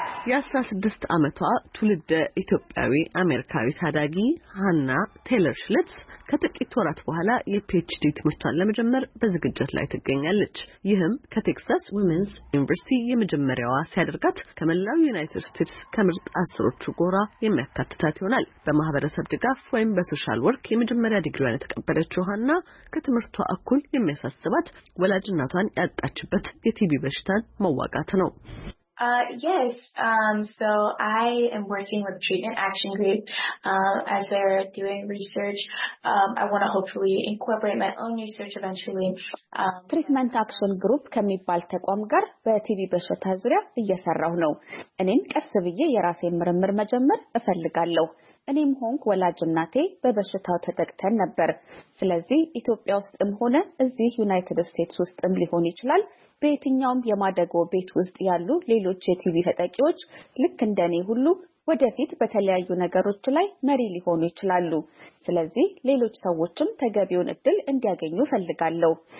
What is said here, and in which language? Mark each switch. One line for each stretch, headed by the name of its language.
Amharic: የ16 ዓመቷ ትውልድ ኢትዮጵያዊ አሜሪካዊ ታዳጊ ሃና ቴይለር ሽሊትዝ ከጥቂት ወራት በኋላ የፒኤችዲ ትምህርቷን ለመጀመር በዝግጅት ላይ ትገኛለች። ይህም ከቴክሳስ ዊመንስ ዩኒቨርሲቲ የመጀመሪያዋ ሲያደርጋት ከመላው ዩናይትድ ስቴትስ ከምርጥ 10ዎቹ ጎራ የሚያካትታት ይሆናል። በማህበረሰብ ድጋፍ ወይም በሶሻል ወርክ የመጀመሪያ ዲግሪዋን የተቀበለችው ሃና ከትምህርቷ እኩል የሚያሳስባት ወላጅናቷን ያጣችበት የቲቪ በሽታን መዋጋት ነው።
English: So I am working with Treatment Action Group as they're doing research. I want to hopefully incorporate my own research eventually.
Amharic: Treatment Action Group ከሚባል ተቋም ጋር በቲቪ በሽታ ዙሪያ እየሰራሁ ነው። እኔም ቀስ ብዬ የራሴን ምርምር መጀመር እፈልጋለሁ። እኔም ሆንኩ ወላጅናቴ በበሽታው ተጠቅተን ነበር። ስለዚህ ኢትዮጵያ ውስጥም ሆነ እዚህ ዩናይትድ ስቴትስ ውስጥም ሊሆን ይችላል በየትኛውም የማደጎ ቤት ውስጥ ያሉ ሌሎች የቲቪ ተጠቂዎች ልክ እንደኔ ሁሉ ወደፊት በተለያዩ ነገሮች ላይ መሪ ሊሆኑ ይችላሉ። ስለዚህ ሌሎች ሰዎችም ተገቢውን እድል እንዲያገኙ ፈልጋለሁ።